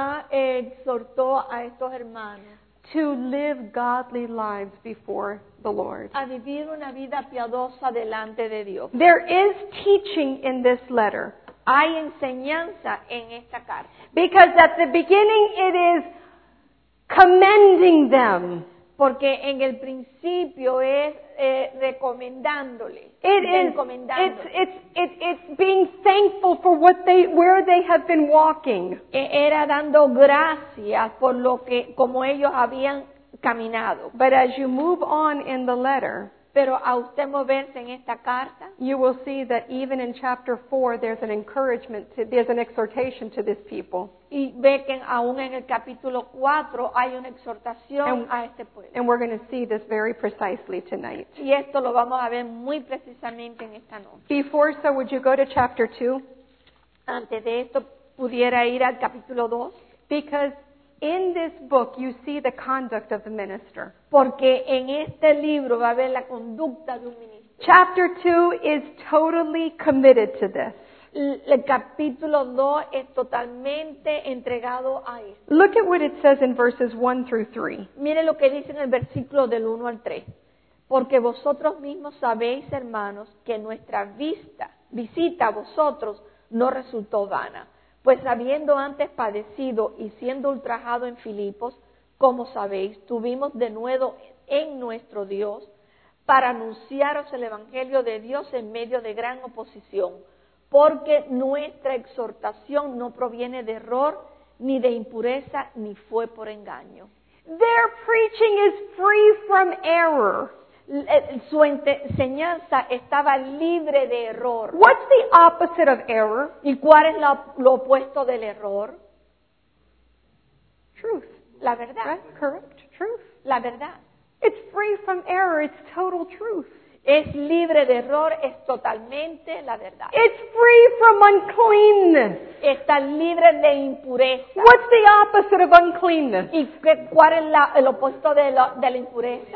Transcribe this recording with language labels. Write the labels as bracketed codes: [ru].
[es] exhortó a estos hermanos, [en] to live godly lives before the Lord. [es] A vivir una vida piadosa delante de Dios. [en] There is teaching in this letter. [es] Hay enseñanza en esta carta. [en] Because at the beginning it is commending them. [es] Porque en el principio es recomendándole. [en] It's being thankful for where they have been walking. [es] Era dando gracias por lo que como ellos habían caminado. [en] But as you move on in the letter, [es] pero a usted moverse en esta carta, [en] you will see that even in chapter 4 there's an encouragement to, there's an exhortation to this people. [es] Y ve que aún en el capítulo 4 hay una exhortación a este pueblo. [en] And we're going to see this very precisely tonight. [es] Y esto lo vamos a ver muy precisamente en esta noche. [en] Before, so would you go to chapter 2? [es] Antes de esto, pudiera ir al capítulo 2. [en] Because in this book, you see the conduct of the minister. [es] Porque en este libro va a ver la conducta de un ministro. [en] Chapter 2 is totally committed to this. [es] El capítulo 2 es totalmente entregado a esto. [en] Look at what it says in verses 1 through 3. [es] Mire lo que dice en el versículo del 1 al 3. Porque vosotros mismos sabéis, hermanos, que nuestra visita a vosotros no resultó vana. Pues habiendo antes padecido y siendo ultrajado en Filipos, como sabéis, tuvimos denuedo en nuestro Dios para anunciaros el Evangelio de Dios en medio de gran oposición, porque nuestra exhortación no proviene de error, ni de impureza, ni fue por engaño. [en] Their preaching is free from error. [es] su enseñanza estaba libre de error. [en] What's the opposite of error? [es] ¿Y cuál es lo opuesto del error? [en] Truth. [es] La verdad. [en] Right? Correct. Truth. [es] La verdad. [en] It's free from error. It's total truth. [es] Es libre de error, es totalmente la verdad. [en] It's free from uncleanness. [es] Está libre de impureza. [en] What's the opposite of uncleanness? [es] ¿Y cuál es el opuesto de la impureza?